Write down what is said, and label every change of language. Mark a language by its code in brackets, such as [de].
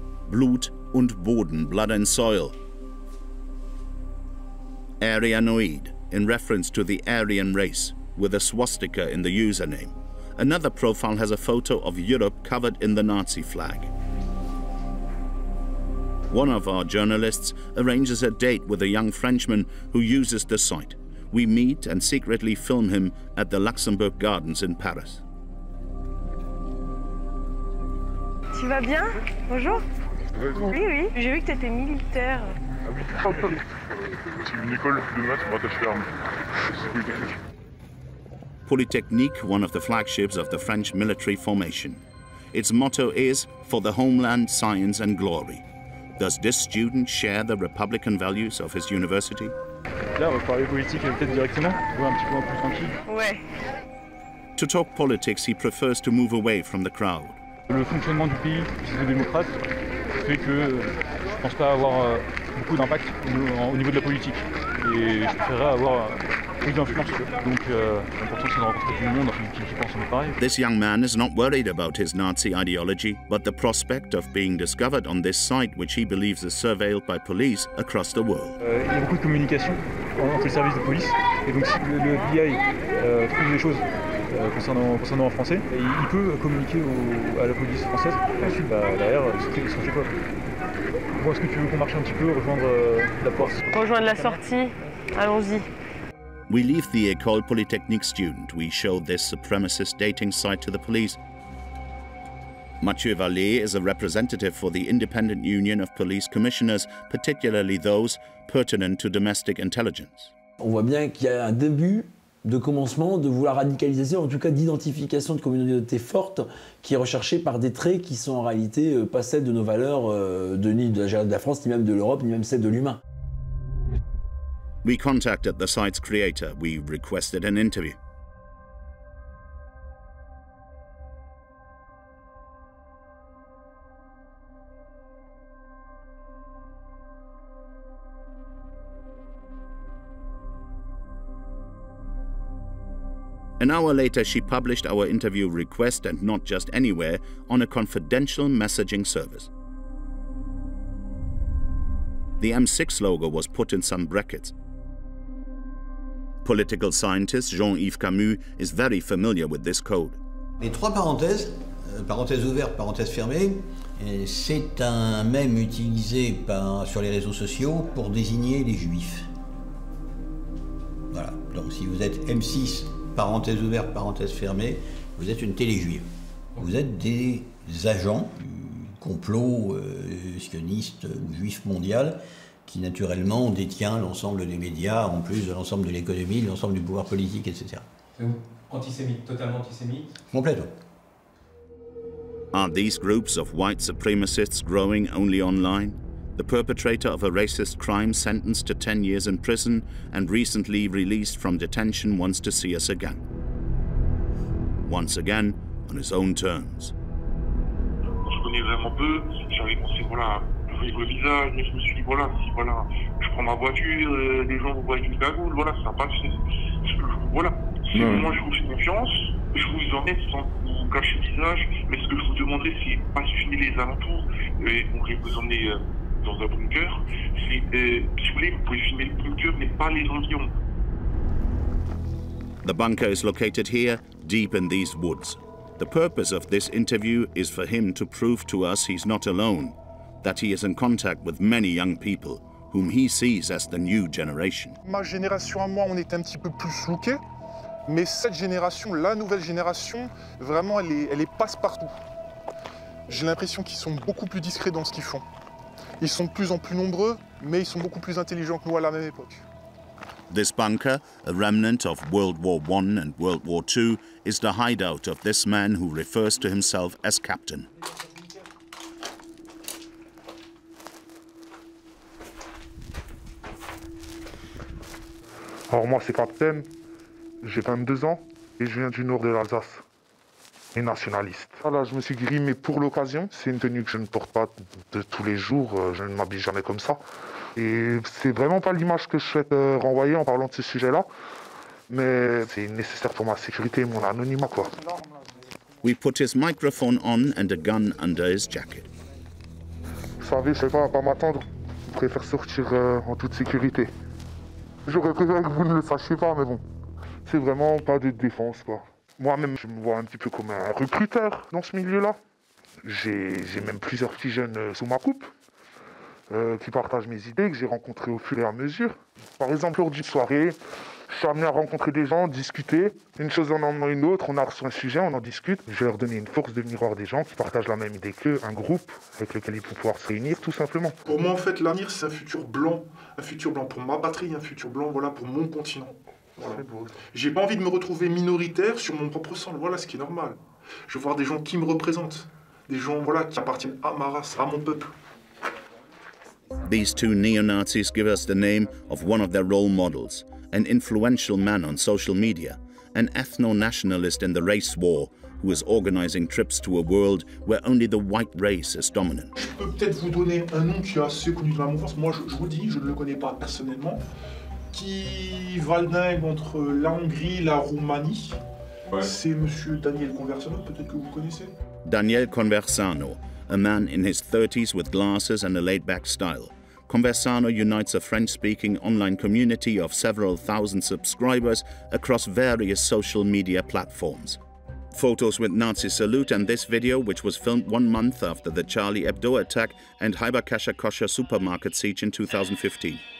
[de] Blut und Boden, [en] blood and soil. Aryanoid, in reference to the Aryan race, with a swastika in the username. Another profile has a photo of Europe covered in the Nazi flag. One of our journalists arranges a date with a young Frenchman who uses the site. We meet and secretly film him at the Luxembourg Gardens in Paris. [fr] Tu vas bien? Bonjour. Oui, oui, j'ai vu que tu étais militaire. C'est une école de maths pour attacher l'arme. [en] Polytechnique, one of the flagships of the French military formation. Its motto is, for the homeland, science and glory. Does this student share the republican values of his university? [fr] Là, on va parler politique peut-être directement, un petit peu plus tranquille. Ouais. [en] To talk politics, he prefers to move away from the crowd. [fr] Le fonctionnement du pays, si c'est démocrate, fait que je pense pas avoir beaucoup d'impact au niveau de la politique. Et je préférerais avoir plus d'influence. Donc l'important c'est de rencontrer tout le monde qui pense à nous pareil. [en] This young man is not worried about his Nazi ideology, but the prospect of being discovered on this site which he believes is surveilled by police across the world. [fr] Il y a beaucoup de communication entre les services de police. Et donc si le FBI trouve des choses concernant un Français, il peut communiquer à la police française. Ensuite, derrière, ils sont chez toi. Bon, est-ce que tu veux qu'on marche un petit peu, rejoindre la poire? Rejoindre la sortie, allons-y. [en] We leave the École Polytechnique student. We show this supremacist dating site to the police. Mathieu Vallée is a representative for the Independent Union of Police Commissioners, particularly those pertinent to domestic intelligence. [fr] On voit bien qu'il y a un début de commencement de vouloir radicaliser, en tout cas d'identification de communautés fortes qui est recherchée par des traits qui sont en réalité pas celles de nos valeurs, ni de la France, ni même de l'Europe, ni même celles de l'humain. [en] We contacted the site's creator. We requested an interview. An hour later, she published our interview request, and not just anywhere, on a confidential messaging service. The M6 logo was put in some brackets. Political scientist Jean-Yves Camus is very familiar with this code. [fr] Les trois parenthèses, parenthèse ouverte, parenthèse fermée, c'est un mème utilisé sur les réseaux sociaux pour désigner les juifs. Voilà, donc si vous êtes M6, parenthèse ouverte, parenthèse fermée, vous êtes une téléjuive. Vous êtes des agents du complot sioniste ou juif mondial qui naturellement détient l'ensemble des médias, en plus de l'ensemble de l'économie, de l'ensemble du pouvoir politique, etc. C'est antisémite, totalement antisémite? Complètement. [en] Are these groups of white supremacists growing only online? The perpetrator of a racist crime sentenced to 10 years in prison and recently released from detention wants to see us again. Once again, on his own terms. [fr] Je connais vraiment peu, j'avais pensé, voilà, ouvrir le visage, mais je me suis dit, voilà, si, voilà, je prends ma voiture, les gens vous voient avec une cagoule, voilà, ça passe, voilà. Moi, je vous fais confiance, je vous en mets sans vous cacher le visage, mais ce que je vous demanderais, c'est pas suivre les alentours, et on va vous emmener dans un bunker. Si vous voulez, vous pouvez filmer le bunker, mais pas les environs. [en] The bunker is located here, deep in these woods. The purpose of this interview is for him to prove to us he's not alone, that he is in contact with many young people, whom he sees as the new generation. [fr] Ma génération à moi, on est un petit peu plus louqués, mais cette génération, la nouvelle génération, vraiment, elle est passe-partout. J'ai l'impression qu'ils sont beaucoup plus discrets dans ce qu'ils font. Ils sont de plus en plus nombreux, mais ils sont beaucoup plus intelligents que nous à la même époque. [en] This bunker, a remnant of World War I and World War II, is the hideout of this man who refers to himself as Captain. [fr] Alors moi c'est Captain, j'ai 22 ans et je viens du nord de l'Alsace, et nationaliste. Là je me suis grimé pour l'occasion, c'est une tenue que je ne porte pas de tous les jours, je ne m'habille jamais comme ça. Et c'est vraiment pas l'image que je souhaite renvoyer en parlant de ce sujet-là, mais c'est nécessaire pour ma sécurité et mon anonymat, quoi. [en] We put his microphone on and a gun under his jacket. [fr] Vous savez, je ne vais pas m'attendre. Je préfère sortir en toute sécurité. J'aurais préféré que vous ne le sachiez pas, mais bon. C'est vraiment pas de défense, quoi. Moi-même, je me vois un petit peu comme un recruteur dans ce milieu-là. J'ai même plusieurs petits jeunes sous ma coupe. Qui partagent mes idées, que j'ai rencontrées au fur et à mesure. Par exemple, lors d'une soirée, Je suis amené à rencontrer des gens, discuter. Une chose en amenant une autre, on a reçu un sujet, on en discute. Je vais leur donner une force de miroir des gens qui partagent la même idée qu'eux, un groupe avec lequel ils vont pouvoir se réunir, tout simplement. Pour moi, en fait, l'avenir, c'est un futur blanc. Un futur blanc pour ma patrie, un futur blanc, voilà, pour mon continent. Voilà. C'est beau. J'ai pas envie de me retrouver minoritaire sur mon propre sang, voilà, ce qui est normal. Je veux voir des gens qui me représentent. Des gens, voilà, qui appartiennent à ma race, à mon peuple. These two neo-Nazis give us the name of one of their role models, an influential man on social media, an ethno-nationalist in the race war, who is organizing trips to a world where only the white race is dominant. Je peux peut-être vous donner un nom qui est assez connu dans la mouvance. Moi, je vous le dis, je ne le connais pas personnellement, qui valdingue entre la Hongrie, la Roumanie. Ouais. C'est Monsieur Daniel Conversano, peut-être que vous connaissez. Daniel Conversano. [en] A man in his 30s with glasses and a laid-back style. Conversano unites a French-speaking online community of several thousand subscribers across various social media platforms. Photos with Nazi salute and this video, which was filmed 1 month after the Charlie Hebdo attack and Haiba Kasha Kosher supermarket siege in 2015.